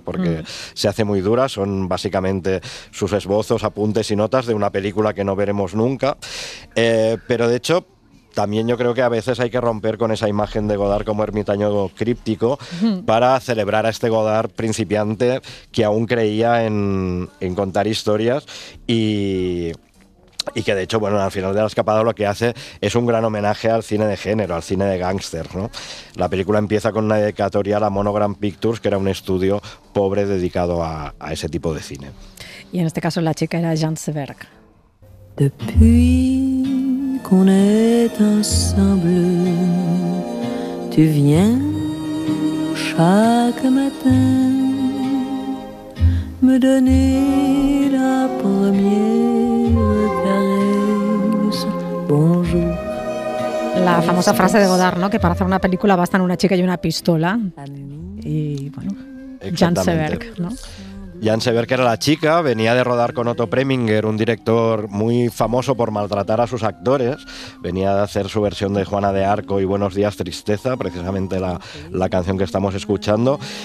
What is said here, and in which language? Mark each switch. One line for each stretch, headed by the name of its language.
Spanish: Porque se hace muy dura, son básicamente sus esbozos, apuntes y notas de una película que no veremos nunca, pero de hecho también yo creo que a veces hay que romper con esa imagen de Godard como ermitaño críptico para celebrar a este Godard principiante que aún creía en contar historias y que de hecho, bueno, Al final de la escapada lo que hace es un gran homenaje al cine de género, al cine de gángster, ¿no? La película empieza con una dedicatoria a la Monogram Pictures, que era un estudio pobre dedicado a ese tipo de cine. Y en este caso la chica era Jeanne Seberg.
French: Depuis qu'on est ensemble, tu viens chaque matin me donner la première caresse. Bonjour.
Spanish: La famosa frase de Godard, ¿no? Que para hacer una película bastan una chica y una pistola. Y bueno, Jeanne Seberg, ¿no? Jeanne Seberg, que era la chica, venía de rodar con Otto Preminger, un director muy famoso por maltratar a sus actores. Venía de hacer su versión de Juana de Arco y Buenos días, tristeza, precisamente la canción que estamos escuchando.